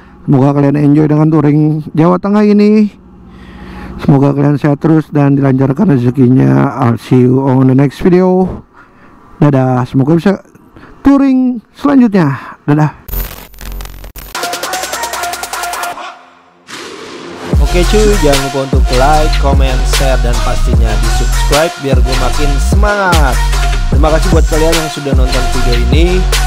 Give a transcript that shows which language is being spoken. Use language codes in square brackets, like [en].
[id] Semoga kalian enjoy dengan touring Jawa Tengah ini. Semoga kalian sehat terus dan dilancarkan rezekinya. [en] I'll see you on the next video. [id] Dadah, semoga bisa touring selanjutnya. Dadah. Oke cuy, jangan lupa untuk like, comment, share, dan pastinya di subscribe biar gue makin semangat. Terima kasih buat kalian yang sudah nonton video ini.